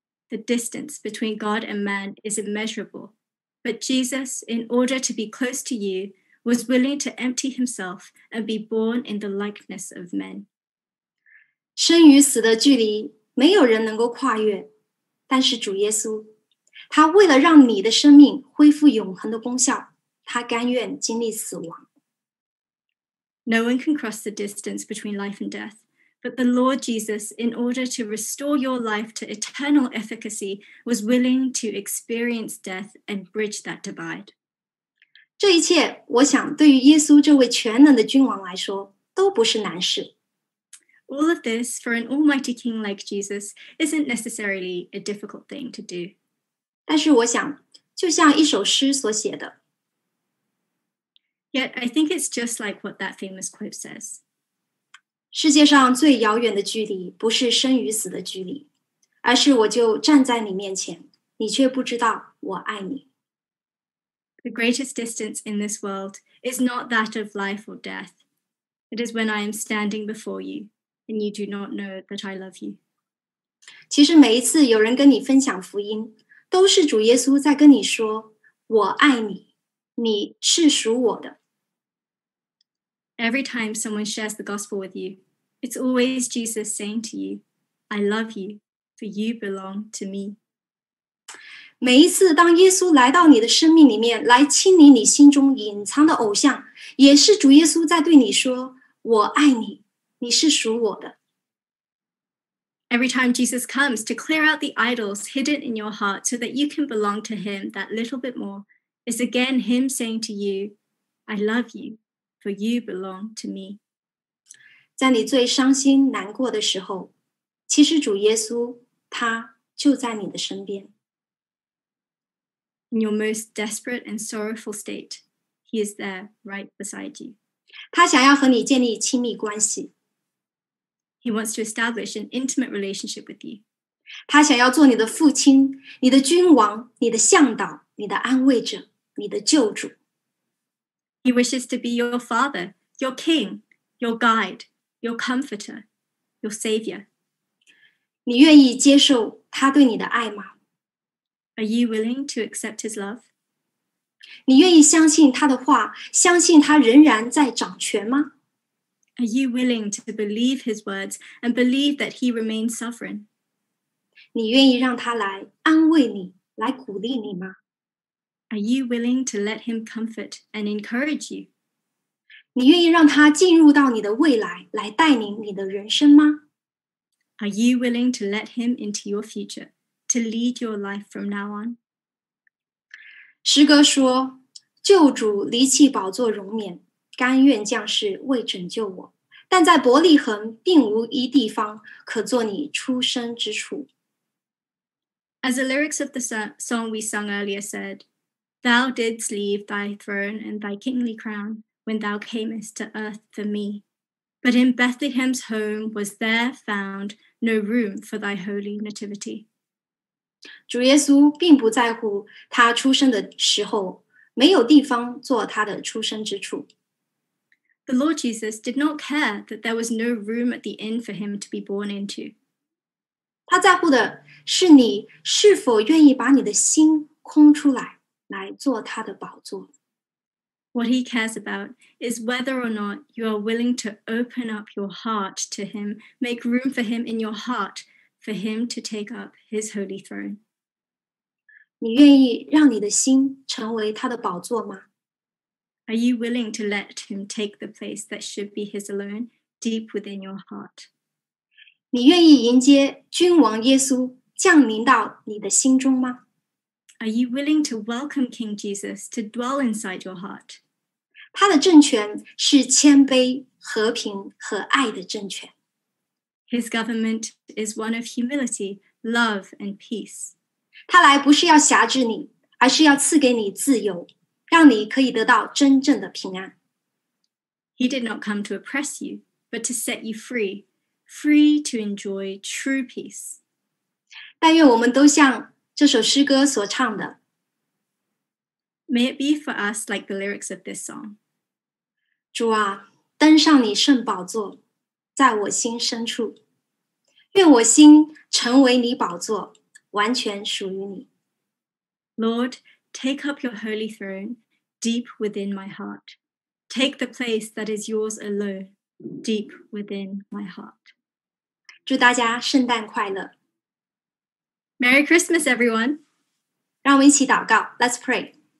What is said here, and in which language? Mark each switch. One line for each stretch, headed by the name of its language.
English: The distance between God and man is immeasurable, but Jesus, in order to be close to you,was willing to empty himself and be born in the likeness of men.
Chinese: 生与死的距离没有人能够跨越，但是主耶稣，他为了让你的生命恢复永恒的功效，他甘愿经历死亡。
English: No one can cross the distance between life and death, but the Lord Jesus, in order to restore your life to eternal efficacy, was willing to experience death and bridge that divide.
Chinese: 这一切，我想对于耶稣这位全能的君王来说，都不是难事。
English: All of this for an almighty king like Jesus isn't necessarily a difficult thing to do.
Chinese: 但是我想，就像一首诗所写的。
English: Yet I think it's just like what that famous quote says.
Chinese: 世界上最遥远的距离，不是生与死的距离，而是我就站在你面前，你却不知道我爱你。
English: The greatest distance in this world is not that of life or death. It is when I am standing before you, and you do not know that I love you.
Chinese: 其实每一次有人跟你分享福音，都是主耶稣在跟你说，我爱你，你是属我的。
English: Every time someone shares the gospel with you, it's always Jesus saying to you, I love you, for you belong to me.
Chinese: 每一次当耶稣来到你的生命里面，来清理你心中隐藏的偶像，也是主耶稣在对你说，我爱你，你是属我的。
English: Every time Jesus comes to clear out the idols hidden in your heart so that you can belong to him that little bit more, is again him saying to you, I love you, for you belong to me.
Chinese: 在你最伤心难过的时候，其实主耶稣他就在你的身边。
English: In your most desperate and sorrowful state, he is there right beside you.
Chinese: 他想要和你建立亲密关系。
English: He wants to establish an intimate relationship with you.
Chinese: 他想要做你的父亲，你的君王，你的向导，你的安慰者，你的救主。
English: He wishes to be your father, your king, your guide, your comforter, your savior.
Chinese: 你愿意接受他对你的爱吗？
English: Are you willing to accept his love?
Chinese: 你愿意相信他的话，相信他仍然在掌权吗？
English: Are you willing to believe his words and believe that he remains sovereign?
Chinese: 你愿意让他来安慰你，来鼓励你吗？
English: Are you willing to let him comfort and encourage you?
Chinese: 你愿意让他进入到你的未来，来带领你的人生吗？
English: Are you willing to let him into your future, to lead your life from now on?
Chinese: 诗歌说，救主离弃宝座荣冕，甘愿降世为拯救我。但在伯利恒并无一地方可做你出生之处。
English: As the lyrics of the song we sung earlier said, Thou didst leave thy throne and thy kingly crown when thou camest to earth for me. But in Bethlehem's home was there found no room for thy holy nativity.
Chinese: 主耶稣并不在乎他出生的时候没有地方做他的出生之处。
English: The Lord Jesus did not care that there was no room at the inn for him to be born into.
Chinese: 他在乎的是你是否愿意把你的心空出来来做他的宝座。
English: What he cares about is whether or not you are willing to open up your heart to him, make room for him in your heart, for him to take up his holy throne.
Chinese: 你愿意让你的心成为他的宝座吗？
English: Are you willing to let him take the place that should be his alone, deep within your heart?
Chinese: 你愿意迎接君王耶稣降临到你的心中吗？
English: Are you willing to welcome King Jesus to dwell inside your heart?
Chinese: 他的政权是谦卑、和平和爱的政权。
English: His government is one of humility, love, and peace.
Chinese: 他来不是要辖制你，而是要赐给你自由，让你可以得到真正的平安。
English: He did not come to oppress you, but to set you free, free to enjoy true peace.
Chinese: 但愿我们都像这首诗歌所唱的。
English: May it be for us like the lyrics of this song.
Chinese: 主啊，登上你圣宝座，在我心深处。愿我心成为你宝座，完全属于你。
English: Lord, take up your holy throne deep within my heart. Take the place that is yours alone deep within my heart.
Chinese: 祝大家圣诞快乐。
English: Merry Christmas, everyone.
Chinese: 让我们一起祷告。
English: Let's pray.